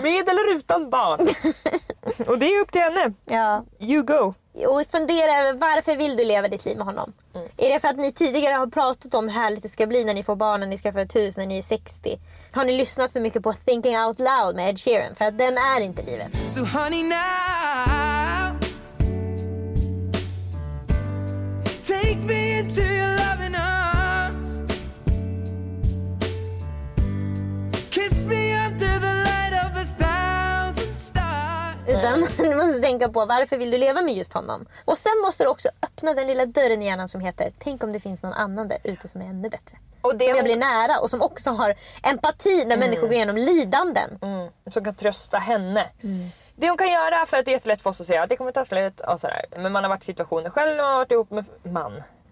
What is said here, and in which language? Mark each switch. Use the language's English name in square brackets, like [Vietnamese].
[Swedish] Med eller utan barn. Och det är upp till henne. Ja. [English] You go. [Swedish] Och fundera över varför vill du leva ditt liv med honom? Mm. Är det för att ni tidigare har pratat om hur härligt det ska bli när ni får barn, när ni ska få ett hus, när ni är 60? Har ni lyssnat för mycket på Thinking Out Loud med Ed Sheeran? För att den är inte livet. [English] So honey now, take me into your loving arms, kiss me under the light of a thousand stars. [Swedish] Utan du måste tänka på varför vill du leva med just honom. Och sen måste du också öppna den lilla dörren i hjärnan som heter, tänk om det finns någon annan där ute som är ännu bättre. Och det som jag blir nära och som också har empati när människor går igenom lidanden. Mm. Som kan trösta henne. Mm. Det hon kan göra, för att det är lätt för oss att säga att det kommer ta slut och sådär. Men man har varit i situationer själv och varit ihop med man.